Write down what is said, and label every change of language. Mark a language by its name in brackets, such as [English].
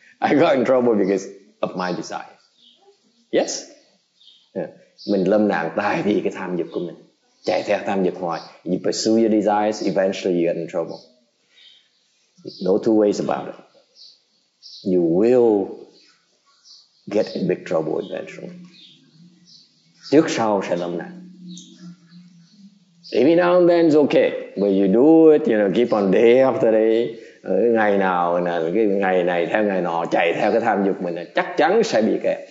[English] I got in trouble because of my desires. Yes? Yeah. [Vietnamese] Mình lâm nạn tại vì cái tham dục của mình. Chạy theo tham dục hoài. [English] You pursue your desires, eventually you get in trouble. No two ways about it. You will get in big trouble eventually. [Vietnamese] Trước sau sẽ lâm nạn. [English] Every now and then it's okay, but you do it, you know, keep on day after day. [Vietnamese] Ngày nào, cái ngày này theo ngày nọ, chạy theo cái tham dục mình, chắc chắn sẽ bị kẹt.